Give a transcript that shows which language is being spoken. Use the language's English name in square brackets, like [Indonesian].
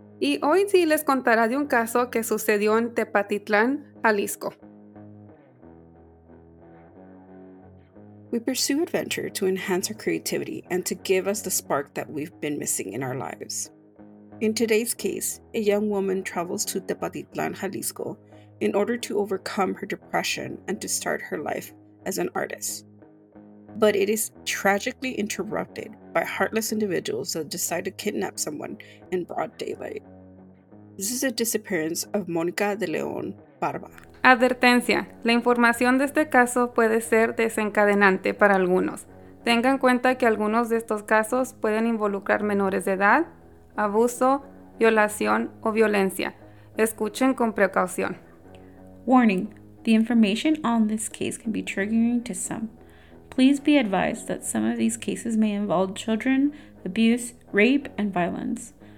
[Spanish] Y hoy Di les contará de un caso que sucedió en Tepatitlán, Jalisco. [English] We pursue adventure to enhance our creativity and to give us the spark that we've been missing in our lives. In today's case, a young woman travels to Tepatitlán, Jalisco in order to overcome her depression and to start her life as an artist. But it is tragically interrupted by heartless individuals that decide to kidnap someone in broad daylight. This is a disappearance of Mónica de León Barba. [Spanish] Advertencia. La información de este caso puede ser desencadenante para algunos. Tenga en cuenta que algunos de estos casos pueden involucrar menores de edad, abuso, violación o violencia. Escuchen con precaución. [English] Warning. The information on this case can be triggering to some. Please be advised that some of these cases may involve children, abuse, rape, and violence.